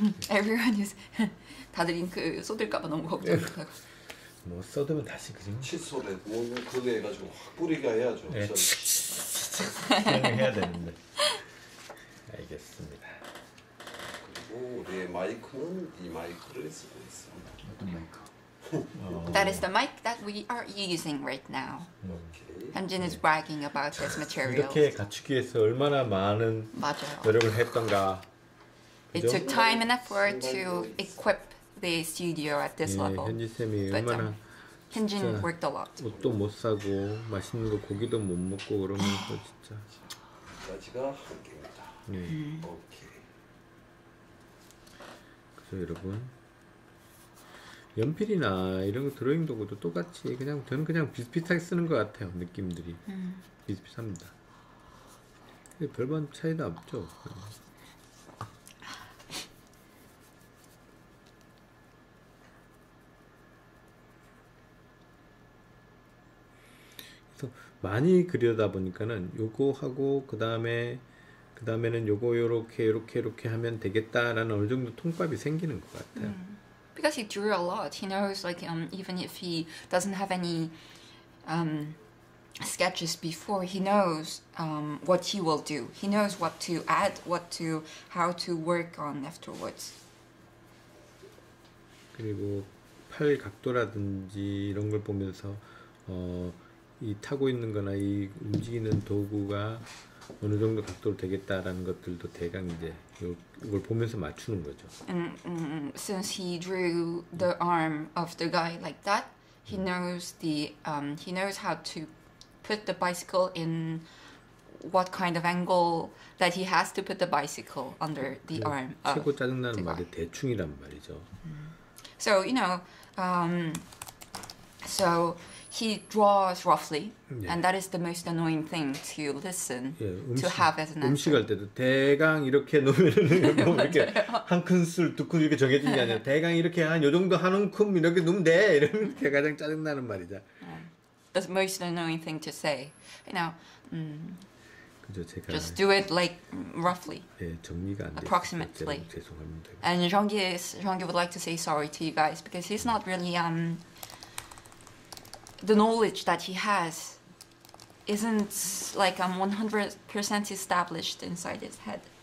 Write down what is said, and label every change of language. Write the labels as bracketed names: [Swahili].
[English] Everyone is [Korean] 다들 잉크 쏟을까봐 너무 걱정이다. 뭐 써두면 다시 그림. 칫솔에 뭐 그래 가지고 확 뿌리게 해야죠. 네. 진행을 해야 되는데 알겠습니다. 그리고 우리의 마이크는 이 마이크를 쓰고 있습니다. 어떤 마이크? [English] That is the mic that we are using right now. Okay. 현진 is bragging about this material. [Korean] 이렇게 갖추기 위해서 얼마나 많은 맞아요. 노력을 했던가. [English] It took time and effort to equip the studio at this [Korean] 예, [English] level. [Korean] 현진 쌤이 얼마나 [English] Hyunjin worked a lot. [Korean] 옷도 못 사고 맛있는 거 고기도 못 먹고 그러면 또 진짜. 여기까지가 한계입니다. 네. 오케이. 그래서 여러분 연필이나 이런 거 드로잉 도구도 똑같이 그냥 저는 그냥 비슷비슷하게 쓰는 것 같아요. 느낌들이 비슷비슷합니다. 별반 차이도 없죠. 많이 그리다 보니까는 요거 하고 그다음에는 요거 요렇게 하면 되겠다라는 어느 정도 통밥이 생기는 것 같아요. [English] Because he drew a lot, he knows like even if he doesn't have any sketches before, he knows what he will do. He knows what to add, what to how to work on afterwards. [Korean] 그리고 팔 각도라든지 이런 걸 보면서 이 타고 있는 거나 이 움직이는 도구가 어느 정도 각도로 되겠다라는 것들도 대강 이제 이걸 보면서 맞추는 거죠. [English] Since he drew the arm of the guy like that, He knows the he knows how to put the bicycle in what kind of angle that he has to put the bicycle under the arm. [Korean] 최고 짜증나는 말이 대충이란 말이죠. [English] So, you know, so he draws roughly, and that is the most annoying thing to listen to have as an answer. [Korean] 음식할 때도 대강 이렇게 놓으면 뭐 이렇게 한 큰술 두 큰술 이렇게 정해진 게 아니라 대강 이렇게 한 요 정도 한 움큼 이렇게 놓으면 돼 이러면 게 가장 짜증나는 말이다. [English] The most annoying thing to say, you know. [Korean] 그죠 제가 [English] just do it like roughly. [Korean] 예, 정리가 안 돼. [English] Approximately. [Korean] 죄송합니다. [English] And Jeongi would like to say sorry to you guys because he's not really the knowledge that he has isn't like 100% established inside his head.